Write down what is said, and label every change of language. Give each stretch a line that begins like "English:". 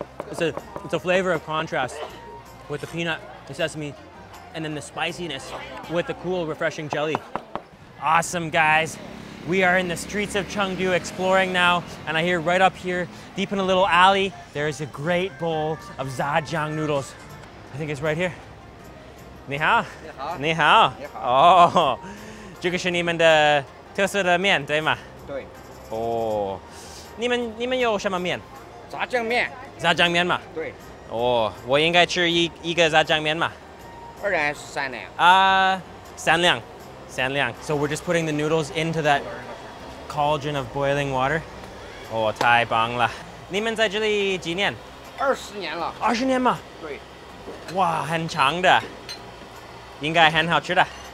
English: It's a flavor of contrast with the peanut, the sesame, and then the spiciness with the cool, refreshing jelly. Awesome, guys. We are in the streets of Chengdu exploring now, and I hear right up here, deep in a little alley, there is a great bowl of zhajiang noodles. I think it's right here.
Chinese: 你好，你好，你好，你好。哦，这个是你们的特色的面，对吗？对。哦，你们有什么面？炸酱面。炸酱面嘛。对。哦，我应该吃一个炸酱面嘛。二两还是三两？三两。
English: So we're just putting the noodles into that cauldron of boiling water.
Chinese: 哦，太棒了！你们在这里几年？ 20年了。 20年嘛。对。哇，很长的。应该很好吃的。